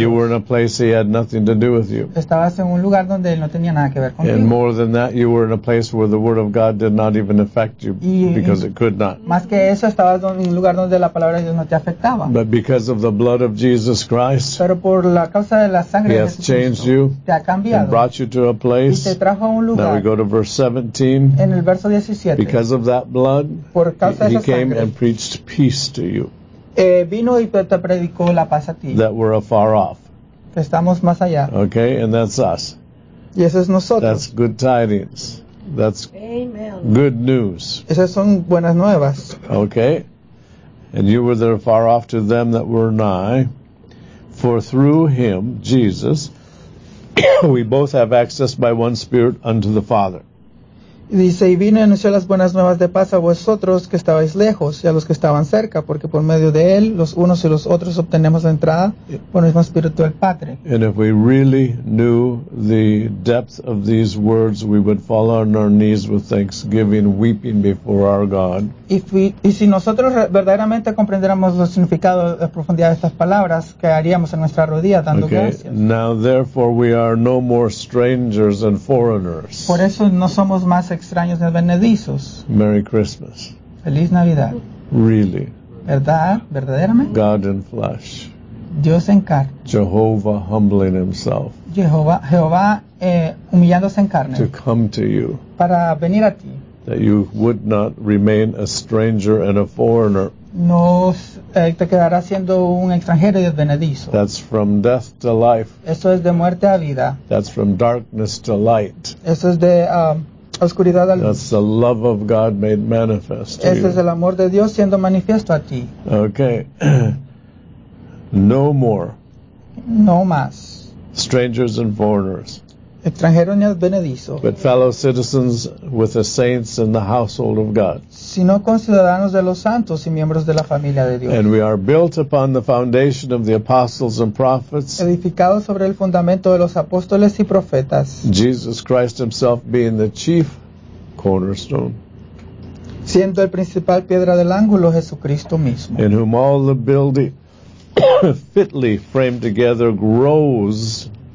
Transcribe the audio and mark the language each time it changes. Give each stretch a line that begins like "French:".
English: You were in a place he had nothing to do with you.
Spanish: Estabas en un lugar donde él no tenía nada que ver contigo.
English: And more than that, you were in a place where the word of God did not even affect you, because it could not.
Spanish: Más que eso, estabas en un lugar donde la palabra de Dios no te afectaba.
English: But because of the blood of Jesus Christ,
Spanish: pero por la causa de la sangre
English: he has changed you.
Spanish: Te ha cambiado.
English: And brought you to a place.
Spanish: Y te trajo a un lugar.
English: Now we go to verse 17.
Spanish: En el verso 17.
English: Because of that blood,
Spanish: por causa
English: he
Spanish: de esa
English: came
Spanish: sangre,
English: and preached peace to you.
Spanish: Vino y te predicó la paz a ti.
English: That were afar off.
Spanish: Estamos más allá.
English: Okay, and that's us.
Spanish: Y eso es nosotros.
English: That's good tidings. That's Amen. Good news.
Spanish: Esas son buenas nuevas.
English: Okay. And you were there afar off to them that were nigh. For through him, Jesus, we both have access by one Spirit unto the Father.
Spanish: Dice, y vino y anunció las buenas nuevas de paz a vosotros que estabais lejos y a los que estaban cerca, porque por medio de él, los unos y los otros obtenemos la entrada por el mismo Espíritu del Padre.
English: And if we really knew the depth of these words, we would fall on our knees with thanksgiving, weeping before our God.
Spanish: Y si nosotros verdaderamente comprendiéramos el significado de profundidad de estas palabras, quedaríamos en nuestra rodilla dando
English: okay.
Spanish: gracias.
English: Now therefore we are no more strangers and foreigners.
Spanish: Por eso no somos más extraños ni advenedizos.
English: Merry Christmas.
Spanish: Feliz Navidad.
English: Really.
Spanish: ¿Verdad? ¿Verdaderamente?
English: God in flesh.
Spanish: Dios en carne.
English: Jehovah humbling himself.
Spanish: Jehová humillándose en carne.
English: To come to you.
Spanish: Para venir a ti.
English: That you would not remain a stranger and a foreigner.
Spanish: No te quedarás siendo un extranjero y advenedizo.
English: That's from death to life.
Spanish: Eso es de muerte a vida.
English: That's from darkness to light.
Spanish: Eso es de oscuridad a luz.
English: That's the love of God made manifest to you.
Spanish: Ese es el amor de Dios siendo manifiesto a ti.
English: Okay. No more.
Spanish: No más.
English: Strangers and foreigners.
Spanish: Extranjeros ni advenedizos.
English: But fellow citizens with the saints in the household of God.
Spanish: Sino conciudadanos de los santos y miembros de la familia de Dios.
English: And we are built upon the foundation of the apostles and prophets.
Spanish: Edificado sobre el fundamento de los apóstoles y profetas.
English: Jesus Christ himself being the chief cornerstone.
Spanish: siendo el principal piedra del ángulo Jesucristo mismo.
English: In whom all the building fitly framed together grows